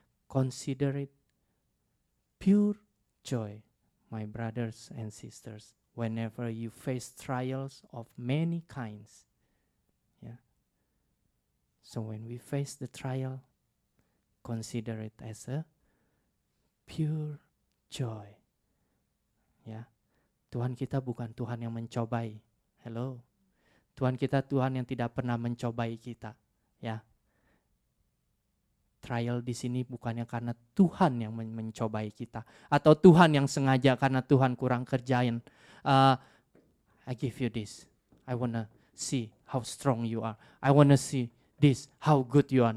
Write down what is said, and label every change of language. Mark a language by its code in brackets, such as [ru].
[en] Consider it pure joy, my brothers and sisters, whenever you face trials of many kinds. Ya. So when we face the trial, consider it as a pure joy. Ya. [id] Tuhan kita bukan Tuhan yang mencobai. Hello. Tuhan kita Tuhan yang tidak pernah mencobai kita. Ya. Trial di sini bukannya karena Tuhan yang mencobai kita atau Tuhan yang sengaja karena Tuhan kurang kerjain. [en] I give you this. I wanna see how strong you are. I wanna see this how good you are.